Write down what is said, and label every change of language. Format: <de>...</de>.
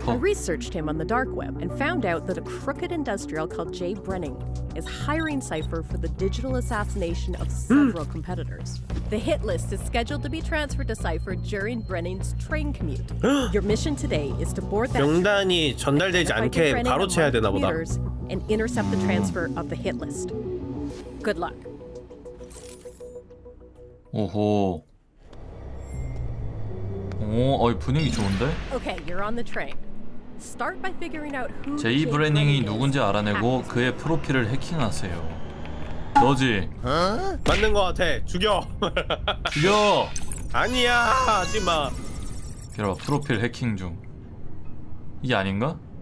<en>I researched him on the dark web and found out that a crooked industrial called Jay Brenning is hiring Cypher for the digital assassination of several competitors. The hit list is scheduled to be transferred to Cypher during Brenning's train commute. Your mission today is to board that.</en> <ko>명단이 전달되지 않게 바로 채야 되나 보다.</ko> <en>And intercept the transfer of the hit list. Good luck.</en> <ko>오호. 어이 분위기 좋은데?</ko> <en>Okay, you're on the train. Start by figuring out who.</en> <ko>제이 브래닝이 누군지 알아내고 그의 프로필을 해킹하세요. 너지? 어? 맞는 거 같아. 죽여. 죽여. 아니야. 하지 마. 그럼 프로필 해킹 중. 이게 아닌가?</ko>